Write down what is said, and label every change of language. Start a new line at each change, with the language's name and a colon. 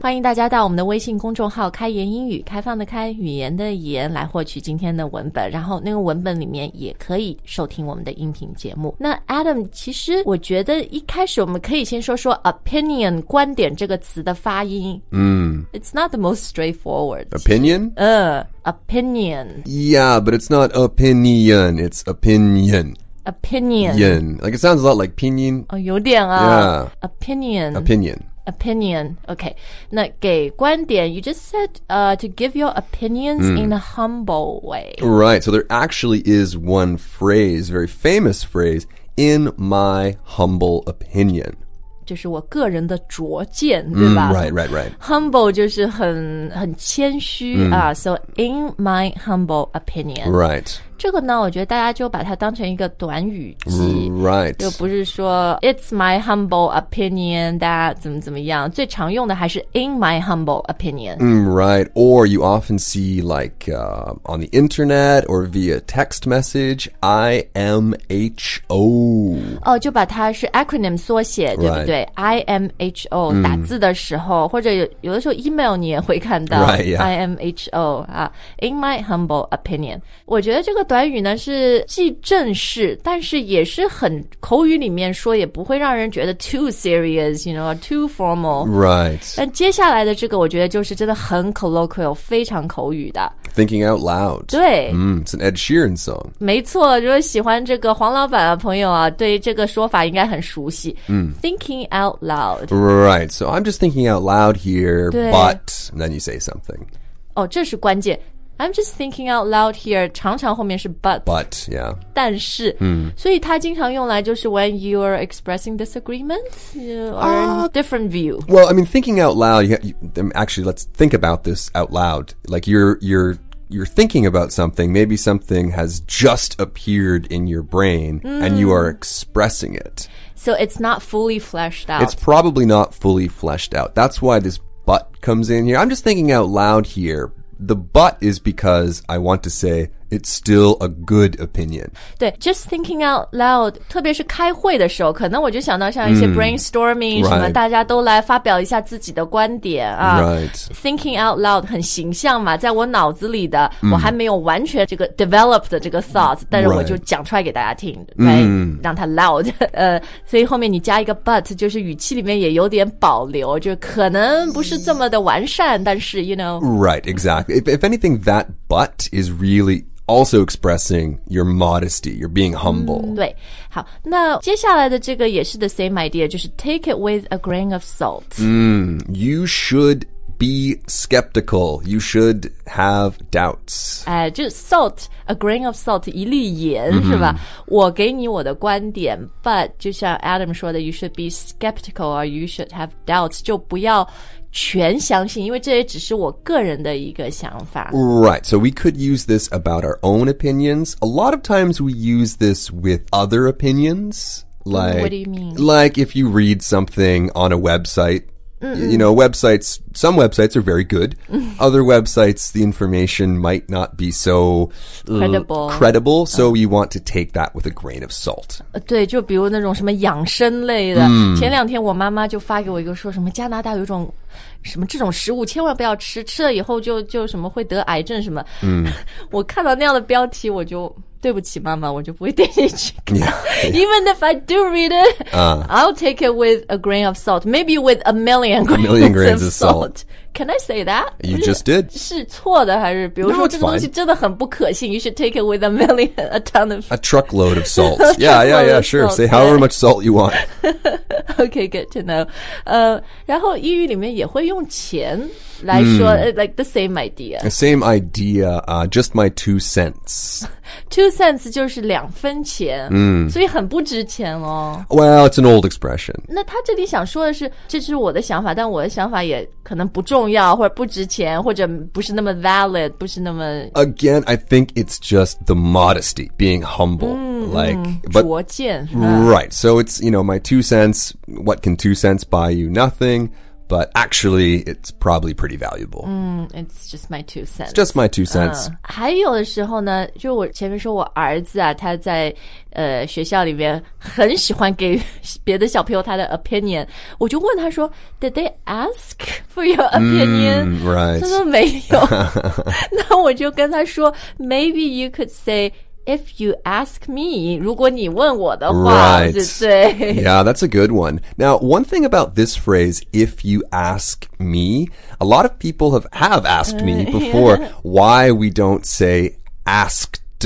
Chinese: 欢迎大家到我们的微信公众号开言英语，开放的开，语言的言，来获取今天的文本。然后那个文本里面也可以收听我们的音频节目。那 Adam, 其实我觉得一开始我们可以先说说 opinion,观点这个词的发音、
English: It's not the most straightforward. Opinion? Opinion. Yeah, but it's not opinion. It's opinion. Opinion. Yen. Like it sounds a lot like pinyin.
Chinese: 哦，有点啊。
English: Yeah. Opinion. Opinion. Opinion. Okay.
Chinese: 那给观点
English: you just said to give your opinions、in a humble way. Right. So there actually is one phrase, very famous phrase, in my humble opinion.
Chinese: 就是我个人的拙见对吧、
English: right. Humble
Chinese: 就是很谦虚、
English: So in my humble opinion Right
Chinese: 这个呢我觉得大家就把它当成一个短语集
English: Right
Chinese: 就不是说
English: It's my humble opinion
Chinese: 大家怎么怎么样最常用的还是
English: In my humble opinion、 Right Or you often see like、On the internet Or via text message I-M-H-O
Chinese: 哦就把它是 acronym 缩写对吧、
English: right.
Chinese: 对 ,IMHO,、打字的时候或者 有的时候 email 你也会看到
English: right,、yeah. IMHO,、in my humble opinion.
Chinese: 我觉得这个短语呢是既正式但是也是很口语里面说也不会让人觉得
English: too serious, you know, too formal. Right.
Chinese: 但接下来的这个我觉得就是真的很 colloquial, 非常口语的。
English: Thinking out loud.
Chinese: 对。
English: It's an Ed Sheeran song.
Chinese: 没错如果喜欢这个黄老板的朋友啊对这个说法应该很熟悉。
English: Thinking out loud. Right, so I'm just thinking out loud here, but then you say something.
Chinese: Oh, 这是关键。
English: I'm just thinking out loud here,
Chinese: 常常后面是
English: but. But, yeah.
Chinese: 但是、所以它经常用来就是
English: when you are expressing disagreement or different view. Well, I mean, thinking out loud, actually, let's think about this out loud. Like you're thinking about something, maybe something has just appeared in your brain、and you are expressing it. So it's not fully fleshed out. It's probably not fully fleshed out. That's why this but comes in here. I'm just thinking out loud here. The but is because I want to say it's still a good opinion.
Chinese: 对
English: just thinking out loud,
Chinese: 特别是开会的时候可能我就想到像一些 brainstorming 什么、大家都来发表一下自己的观点啊。
English: Right.
Chinese: Thinking out loud 很形象嘛在我脑子里的、我还没有完全这个 develop 的这个 thought, 但是我就讲出来给大家听 right.
English: Right?
Chinese: 让它
English: loud.
Chinese: 所以后面你加一个 but, 就是语气里面也有点保留就可能不是这么的完善但是
English: you know. Right, exactly. If anything, that but is really,also expressing your modesty, you're being humble.、
Chinese: 对好那接下来的这个也是
English: the same idea,
Chinese: 就是
English: take it with a grain of salt.、 you should be skeptical, you should have doubts.、
Chinese: 就 salt, a grain of salt, 一粒盐、是吧我给你我的观点 but 就像 Adam 说的
English: you should be skeptical or you should have doubts,
Chinese: 就不要全相信因为这也只是我个人的一个想法
English: Right, so we could use this about our own opinions. A lot of times we use this with other opinions. Like, what do you mean? Like if you read something on a website、 mm-hmm. You know, websites, some websites are very good. Other websites, the information might not be so credible. So you want to take that with a grain of salt.
Chinese: 对就比如那种什么养生类的、前两天我妈妈就发给我一个说什么加拿大有一种什么这种食物千万不要吃，吃了以后就什么会得癌症什么。嗯，我看到那样的标题，我就对不起妈妈，我就不会点进去看。
English: Yeah, yeah. Even if I do read it,I'll take it with a grain of salt, maybe with a million grains of salt. Can I say that? You just did.
Chinese: 是错的还是比如说、
English: no,
Chinese: 这个东西真的很不可信
English: ？You should take it with a truckload of salt. Yeah, sure. Say however much salt you want. Okay, good to know.
Chinese: 然后英语里面也会用钱来说、
English: like the same idea. The same idea, just my 2 cents.
Chinese: 2 cents 就是两分钱、所以很不值钱哦。
English: Well, it's an old expression.
Chinese: 那他这里想说的是，这是我的想法，但我的想法也可能不重要，或者不值钱，或者不是那么 valid, 不是那么。
English: Again, I think it's just the modesty, being humble. But,
Chinese: 拙见
English: right, so it's, you know, my 2 cents, what can 2 cents buy you? Nothing, but actually, it's probably pretty valuable. It's just my 2 cents. It's just my 2 cents.
Chinese: 还有的时候呢，就我前面说我儿子啊，他在学校里面很喜欢给别的小朋友他的 opinion, 我就问他说
English: did they ask for your opinion? Right.
Chinese: 他说没有。那我就跟他说
English: maybe you could say,If you ask me,
Chinese: 如果你问我的话
English: right.
Chinese: 对。
English: Yeah, that's a good one. Now, one thing about this phrase, if you ask me, a lot of people have asked me before why we don't say asked.